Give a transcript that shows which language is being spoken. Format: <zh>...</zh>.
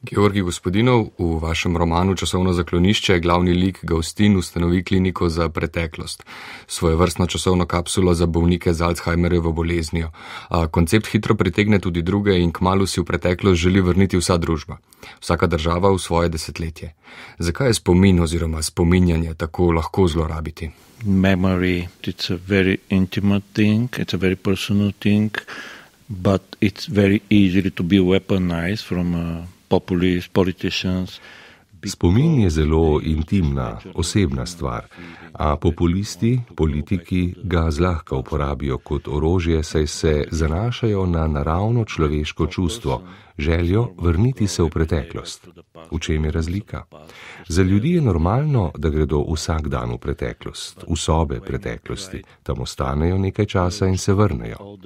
<sl>Georgij Gospodinov, v vašem romanu Časovno zaklonišče je glavni lik Gaustin ustanovi kliniko za preteklost. Svojevrstno časovno kapsulo za bolnike z Alzheimerjevo boleznijo. Koncept hitro pritegne tudi druge in kmalu si v preteklost želi vrniti vsa družba. Vsaka država v svoje desetletje. Zakaj je spomin oziroma spominjanje tako lahko zlorabiti?</sl> <en>Memory, it's a very intimate thing, it's a very personal thing. But it's very easy to be weaponized from populist politicians.</en> <sl>Spomin je zelo intimna, osebna stvar, a populisti, politiki ga zlahka uporabijo kot orožje, saj se zanašajo na naravno človeško čustvo, željo vrniti se v preteklost. V čem je razlika? Za ljudi je normalno, da gredo vsak dan v preteklost, v sobe preteklosti, tam ostanejo nekaj časa in se vrnejo.</sl>